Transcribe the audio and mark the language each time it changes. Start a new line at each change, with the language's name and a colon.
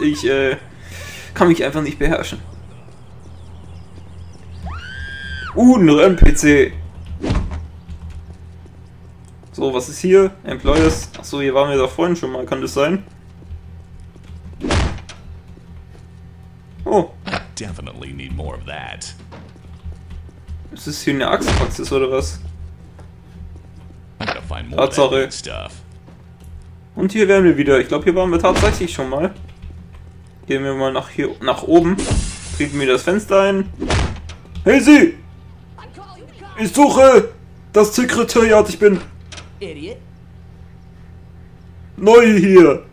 German: Ich, kann mich einfach nicht beherrschen. Ein Röhren-PC. So, was ist hier? Employers. Achso, hier waren wir da vorhin schon mal, kann das sein? Oh.
English: Definitely need more of that.
German: Ist das hier eine Axtpraxis oder was? Tatsache. Und hier wären wir wieder. Ich glaube, hier waren wir tatsächlich schon mal. Gehen wir mal nach oben. Treten wir das Fenster ein. Hey Sie! Ich suche das Sekretariat, ich bin. Idiot. Neu hier!